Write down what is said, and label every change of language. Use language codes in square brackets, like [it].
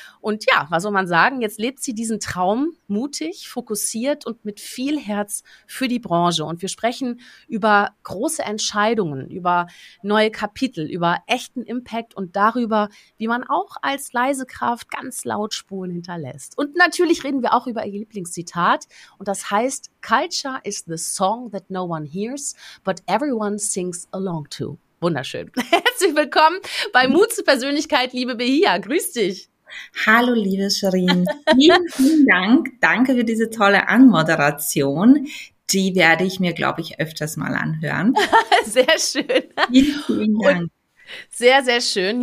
[de] Und ja, was soll man sagen, jetzt lebt sie diesen Traum mutig, fokussiert und mit viel Herz für die Branche. Und wir sprechen über große Entscheidungen, über neue Kapitel, über echten Impact und darüber, wie man auch als leise Kraft ganz laut Spuren hinterlässt. Und natürlich reden wir auch über ihr Lieblingszitat. Und das heißt, [en] Culture is the song that no one hears, but everyone sings along to. [de] Wunderschön. Herzlich willkommen bei Mut zur Persönlichkeit, liebe Behia. Grüß dich. Hallo, liebe Shirin. Vielen, vielen Dank. Danke für diese tolle Anmoderation. Die werde ich mir, glaube ich, öfters mal anhören. Sehr schön. Vielen, vielen Dank. Sehr, sehr schön.